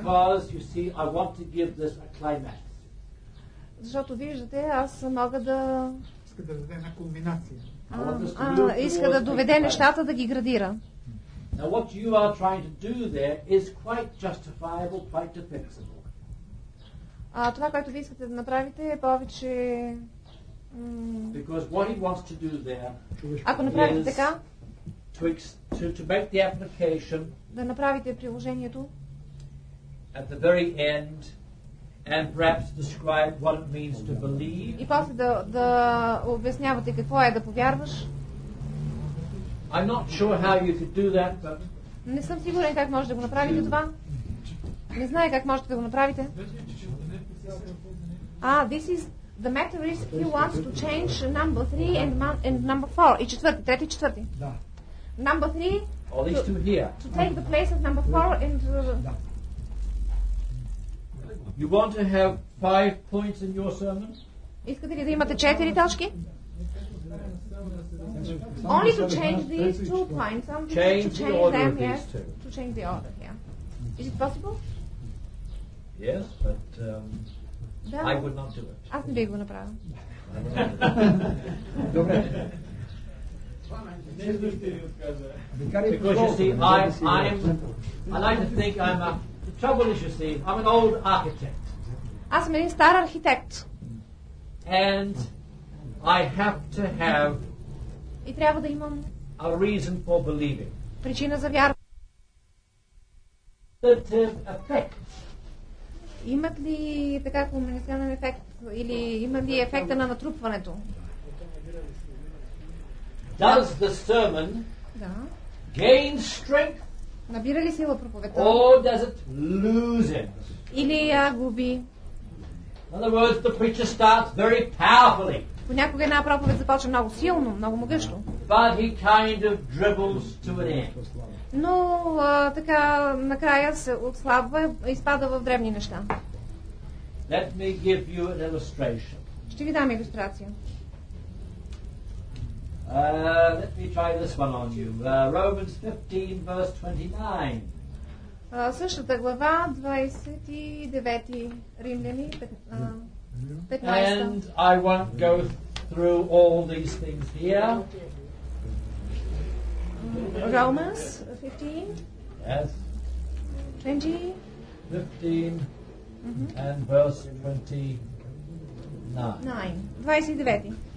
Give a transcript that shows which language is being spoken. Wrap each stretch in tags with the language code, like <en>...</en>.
<en>Because you see, I want to give this a climax.</en> <bg>Защото виждате, аз мога да... Иска да даде една комбинация. Иска да доведе нещата да ги градира.</bg> <en>Now what you are trying to do there is quite justifiable, quite defensible.</en> <bg>Това, което ви искате да направите, е повече...</bg> <en>Because what he wants to do there</en> <bg>ако направите така,</bg> <en>to make the application</en> <bg>да направите приложението</bg> <en>at the very end and perhaps describe what it means to believe.</en> <bg>И после да обяснявате какво е да повярваш.</bg> <en>I'm not sure how you could do that, but</en> <bg>не съм сигурен как можете да го направите това. Не знае как можете да го направите.</bg> <en>This is the matter is he wants to change number 3 and number 4.</en> <bg>И четвърти. Да.</bg> <en>Number 3 all these two here to take the place of number 4 in you want to have 5 points in your sermon?</en> <bg>Искате ли да имате 4 точки?</bg> <en>Only to change these 2 points, I'm to change the order them, of these yeah, two. To change the order, yeah. Is it possible? Yes, but I would not do it.</en> <bg>Аз не бих го направил. Добре.</bg> <en>Because you see, I like to think I'm a. The trouble is, you see, I'm an old architect.</en> <bg>Аз съм един стар архитект.</bg> <en>And I have to have.</en> <bg>И трябва да имам.</bg> <en>A reason for believing.</en> <bg>Причина за вярване.</bg> <en>Cumulative effect.</en> <bg>Имат ли така кумулативен ефект или има ли ефекта на натрупването?</bg> <en>Does the sermon gain strength?</en> <bg>Набира ли сила проповедта?</bg> <en>Or does it lose it?</en> <bg>Или я губи?</bg> <en>In other words, the preacher starts very powerfully.</en> <bg>Понякога една проповед започва много силно, много могъщо.</bg> <en>But he kind of dribbles to an end.</en> <bg>Но така накрая се отслабва и спада в древни неща.</bg> <en>Let me give you an illustration.</en> <bg>Ще ви дам илюстрация.</bg> <en>Let me try this one on you. Romans 15, verse 29.</en> <bg>Същата глава, 29-ти Римляни, 15-та.</bg> <en>And I won't go through all these things here. Romans 15? Yes. 20? 15 mm-hmm. and verse 29. 9. 29.</en>